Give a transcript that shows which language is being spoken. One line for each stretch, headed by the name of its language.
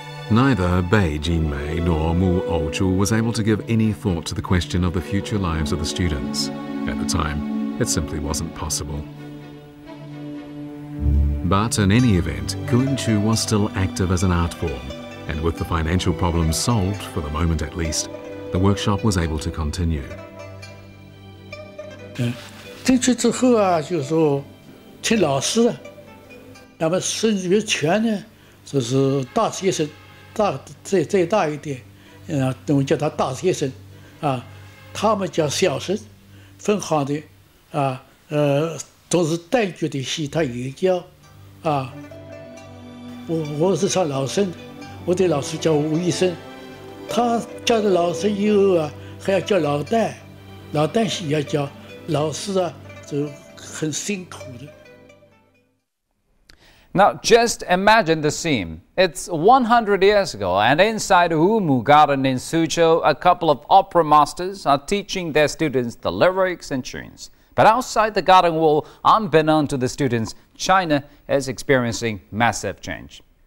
English: Neither Bei Jinmei nor Mu Ouchu was able to give any thought to the question of the future lives of the students. At the time, it simply wasn't possible. But in any event, Kunqu was still active as an art form, and with the financial problems solved, for the moment at least, the workshop was able to continue.
Chinese: 进去之后啊，就是说请老师，那么孙玉泉呢，就是大学生，大再大一点，我们叫他大学生，啊，他们叫小生，分行的，啊，都是旦角的戏，他也教。啊，我是唱老生，我的老师叫吴医生，他教的老生以后啊，还要教老旦，老旦戏要教，老师啊就很辛苦的。
English: Now just imagine the scene. It's 100 years ago, and inside Umu Garden in Suzhou, a couple of opera masters are teaching their students the lyrics and tunes. But outside the garden wall, unbeknown to the students, China is experiencing massive change.